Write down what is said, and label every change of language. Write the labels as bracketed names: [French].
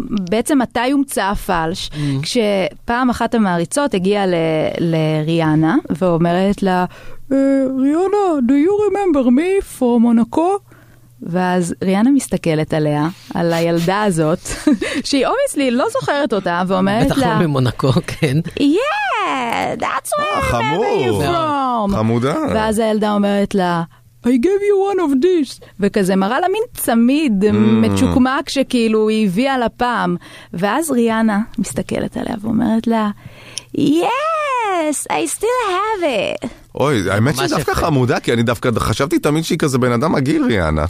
[Hebrew] בעצם מתי הומצא הפלש? כשפעם אחת המעריצות הגיעה לריאנה ואומרת לה, ריאנה, [English] do you remember me from Monaco? [Hebrew] ואז ריאנה מסתכלת עליה, על הילדה הזאת, שהיא אובייסלי לא זוכרת אותה, ואומרת לה, בטח לא ממונקו, כן. [English] Yeah, that's where I remember you from. [Hebrew] חמודה. ואז הילדה אומרת לה, [English] I gave you one of this. [Hebrew] וכזה מראה לה מין צמיד מצ'וקמק שכאילו היא הביאה לה פעם. ואז ריאנה מסתכלת עליה ואומרת לה, [English] Yes, I still have it. [Hebrew] אוי, האמת שהיא דווקא חמודה, כי אני דווקא חשבתי תמיד שהיא כזה בן אדם מגיל, ריאנה.